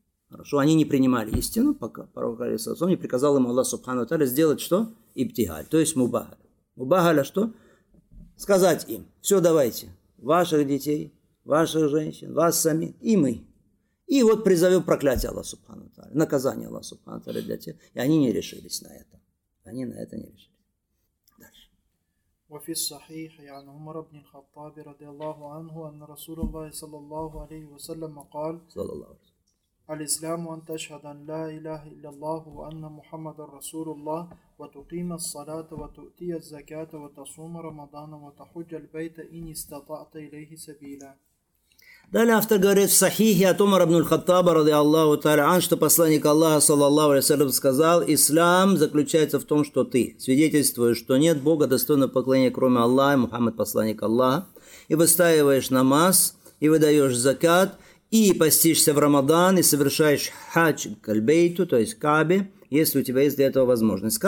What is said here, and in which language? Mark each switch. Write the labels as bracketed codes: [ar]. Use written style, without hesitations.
[ru] Хорошо, они не принимали истину, пока пророк не приказал им Аллах Субхану Тааля сделать что? Ибтигаль, то есть мубагаля. Мубагаля что? Сказать им, все давайте, ваших детей, ваших женщин, вас самих и мы. И вот призовем проклятие Аллаха Субхану Тааля, наказание Аллаха Субхану Тааля для тех. И они не решились на это. Они на это не решились. Дальше. [ar] وفي الصحيح عن عمر بن الخطاب رضي الله عنه أن رسول الله صلى الله عليه وسلم قال صلى الله عليه وسلم الإسلام أن تشهد أن لا إله إلا الله وأن محمد رسول الله وتقيم الصلاة وتؤتي الزكاة وتصوم رمضان وتحج البيت إن استطعت إليه سبيلا. [ru] Далее автор говорит в Сахихе от Умара ибн аль-Хаттаба, ради Аллаху Тааля, что посланник Аллаха, саллаллаху алейхи ва саллям, сказал, «Ислам заключается в том, что ты свидетельствуешь, что нет Бога, достойного поклонения, кроме Аллаха, и Мухаммад посланник Аллаха, и выстаиваешь намаз, и выдаешь закат, и постишься в Рамадан, и совершаешь хадж кальбейту, то есть кабе, если у тебя есть для этого возможность».